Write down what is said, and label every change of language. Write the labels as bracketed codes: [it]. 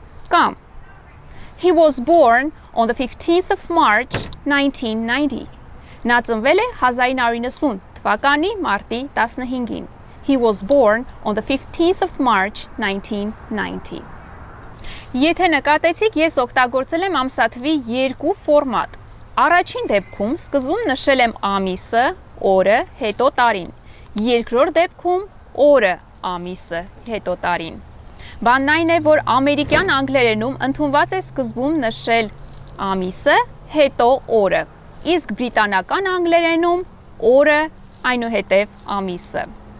[hy] Կամ, [en] He was born on the 15th of March, 1990. [hy] Նա ծնվել է 1990 թվականի մարտի 15-ին. [en] He was born on the 15th of March, 1990. [hy] Եթե նկատեցիք, ես օգտագործել եմ ամսաթվի երկու ֆորմատ. Առաջին դեպքում սկզում նշել եմ ամիսը, օրը, հետո տարին. Երկրորդ դեպքում օրը, ամիսը, հետո տարին. Բանն այն է, որ ամերիկյան անգլերենում ընդունված է սկզբում նշել ամիսը, հետո օրը, իսկ բրիտանական անգլերենում օրը, այնուհետև ամիսը.